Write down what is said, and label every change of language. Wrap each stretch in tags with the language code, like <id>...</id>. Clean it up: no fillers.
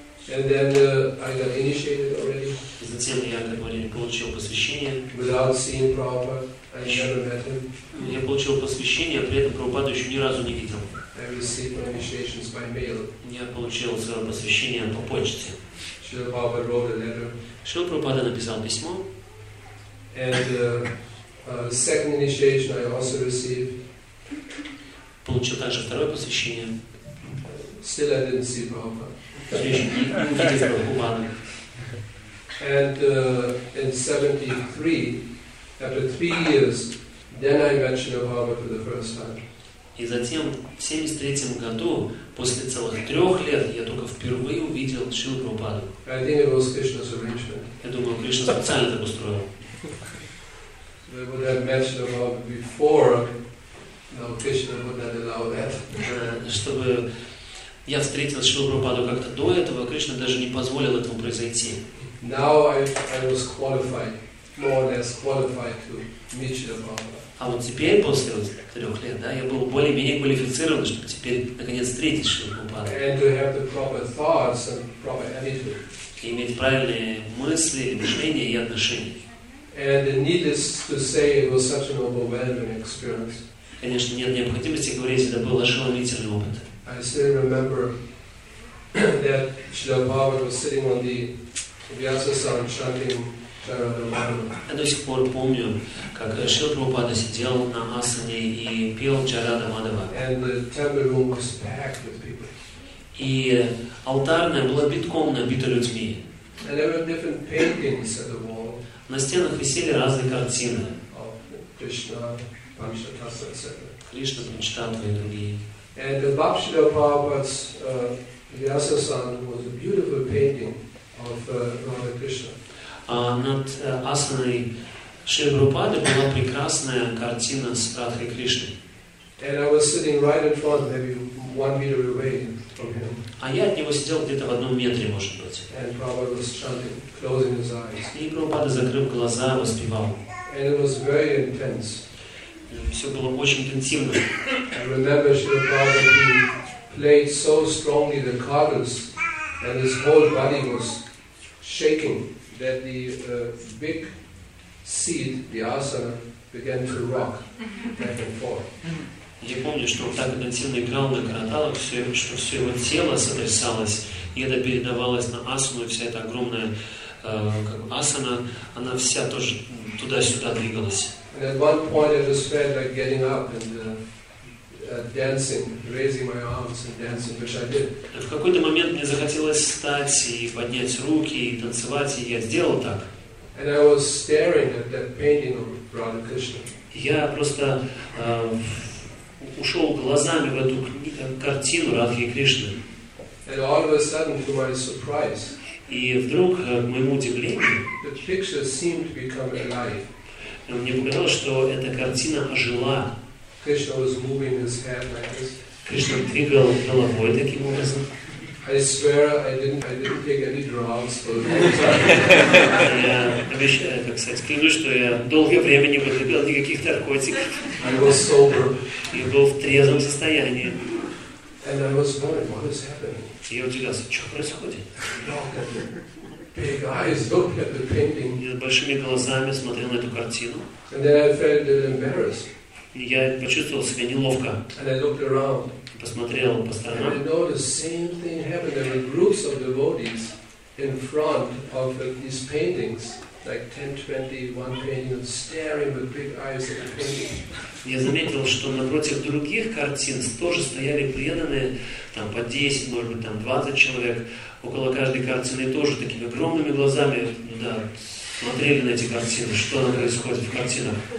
<en>And then I got initiated already.</en> <ru>Затем я как бы получил посвящение.</ru> <en>Without seeing Prabhupada, I never met him.</en> <ru>Я получил посвящение, при этом Прабхупаду еще ни разу не видел.</ru> <en>I received my initiations by mail.</en> <ru>Я получил свое посвящение по почте.</ru> <en>Шрила Прабхупада wrote a letter.</en> <ru>Шрила Прабхупада написал письмо.</ru> <en>And second initiation I also received.</en> <ru>Получил также второе посвящение.</ru> <en>Still I didn't see Prabhupada. And in 73, after 3 years, then I met Shri Prabhupada for the first time.</en> <ru>И затем в 73 году, после целых 3 лет, я только впервые увидел Шри Прабхупаду.</ru> <en>I think it was Krishna's arrangement.</en> <ru>Я думаю, Кришна специально это устроил.</ru> <en>We would have met Shri Prabhupada before. No, Krishna would not allow that.</en> <ru>Чтобы я встретил Шрилу Прабхупаду как-то до этого, Кришна даже не позволил этому произойти.</ru> <en>Now I was qualified, more or less qualified to meet Shri Prabhupada.</en> <ru>А вот теперь, после вот 3 лет, да, я был более-менее квалифицирован, чтобы теперь наконец встретить Шрилу Прабхупаду.</ru> <en>And to have the proper thoughts and proper attitude.</en> <ru>И иметь правильные мысли, мышления и отношения.</ru> <en>And needless to say, it was such an overwhelming experience.</en> <ru>Конечно, нет необходимости говорить, это был ошеломительный опыт.</ru> <en>I still remember that Shri Prabhupada was sitting on the Vyasa-san chanting Charanamrita.</en> <ru>Я до сих пор помню, как Шрила Прабхупада сидел на асане и пел Чарадамадава.</ru> <en>And the temple room was packed with people.</en> <ru>И алтарная была битком набита людьми.</ru> <en>And there were different paintings on the wall.</en> <ru>На стенах висели разные картины. Кришна, Панчатасса, и другие.</ru> <en>And the Bhakshila Prabhupada's Vyasa-san was a beautiful painting of Radha Krishna.</en> <ru>Над асаной Шри Прабхупады была прекрасная картина с Радхой Кришной.</ru> <en>And I was sitting right in front, maybe 1 meter away from him.</en> <ru>А я от него сидел где-то в 1 метре, может быть.</ru> <en>And Prabhupada was chanting, closing his eyes.</en> <ru>И Прабхупада, закрыв глаза, воспевал.</ru> <en>And it was very intense.</en> <ru>Все было очень интенсивно.</ru> <en>I remember Shri Prabhupada played so strongly the kagas that his whole body was shaking, that the big seat, the asana, began to rock back and forth.</en> <ru>Я помню, что он так интенсивно играл на караталах, что все его тело сотрясалось, и это передавалось на асану, и вся эта огромная асана, она вся тоже туда-сюда двигалась.</ru> <en>And at one point, it was felt like getting up and dancing, raising my arms and dancing, which I did.</en> <ru>В какой-то момент мне захотелось встать и поднять руки и танцевать, и я сделал так.</ru> <en>And I was staring at that painting of Radha Krishna.</en> <ru>Я просто ушел глазами в эту картину Радхи Кришны.</ru> <en>And all of a sudden, to my surprise,</en> <ru>и вдруг, к моему удивлению,</ru> <en>the picture seemed to become alive.</en> <ru>Мне показалось, что эта картина ожила.</ru> <en>Krishna was moving his head like this.</en> <ru>Кришна двигал головой таким образом.</ru> <en>I swear I didn't take any drugs for the whole time.</en> <ru>Я обещаю, так сказать, клянусь, что я долгое время не употреблял никаких наркотиков.</ru> <en>I was sober.</en> <ru>И был в трезвом состоянии.</ru> <en>And I was wondering what is happening.</en> <ru>Я удивлялся, что происходит.</ru> <en>Big eyes looked at the painting.</en> <ru>Я большими глазами смотрел на эту картину.</ru> <en>And then I felt embarrassed.</en> <ru>Я почувствовал себя неловко.</ru> <en>And I looked around.</en> <ru>Посмотрел по сторонам.</ru> <en>And I noticed the same thing happened. There were groups of devotees in front of these paintings, like 10-20, one painting, staring with big eyes at the painting.</en> <ru>Я заметил, что напротив других картин тоже стояли преданные, там по 10, может быть, там 20 человек. Около каждой картины тоже такими огромными глазами, да, смотрели на эти картины, что там происходит в картинах.</ru>